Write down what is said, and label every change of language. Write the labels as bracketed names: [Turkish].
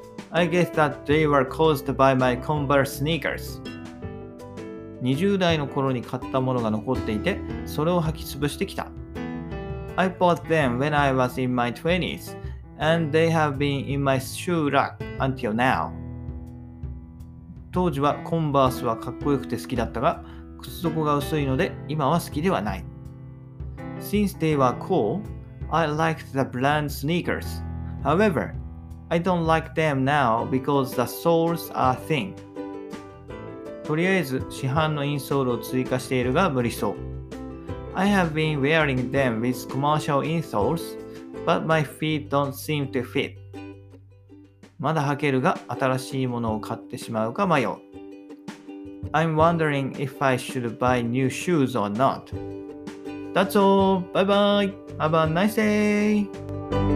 [English] I guess that they were caused by my Converse Sneakers. [Japanese] 20代の頃に買ったものが残っていて、それを履き潰してきた。 [English] I bought them when I was in my 20s, and they have been in my shoe rack until now. [Japanese] 当時はコンバースはかっこよくて好きだったが、靴底が薄いので今は好きではない。 [English] Since they were cool, I liked the brand sneakers. However, I don't like them now because the soles are thin. [Japanese] とりあえず市販のインソールを追加しているが無理そう。 [English] I have been wearing them with commercial insoles, but my feet don't seem to fit. [Japanese] まだ履けるが新しいものを買ってしまうか迷う。 [English] I'm wondering if I should buy new shoes or not. That's all. Bye bye. Have a nice day.